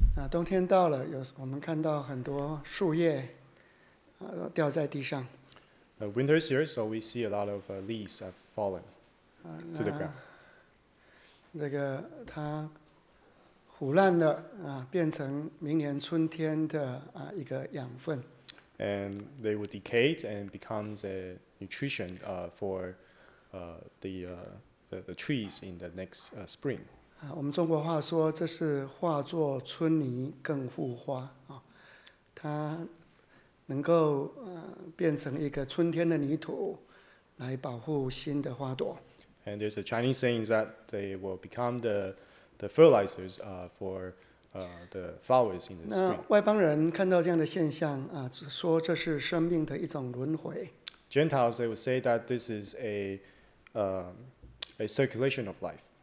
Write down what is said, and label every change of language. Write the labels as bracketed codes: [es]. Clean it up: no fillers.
[zh] 冬天到了，我们看到很多树叶掉在地上。 [en] Winter is here, so we see a lot of leaves have fallen to the ground. [zh] 这个它腐烂的变成明年春天的一个养分。 [en] And they would decay and become a nutrition for the trees in the next spring. [zh] 我们中国话说这是化作春泥更复花，它能够变成一个春天的泥土来保护新的花朵。 [en] And there's a Chinese saying that they will become the fertilizers for the flowers in the spring. [zh] 外邦人看到这样的现象说这是生命的一种轮回。 [en] Gentiles, they would say that this is a circulation of life.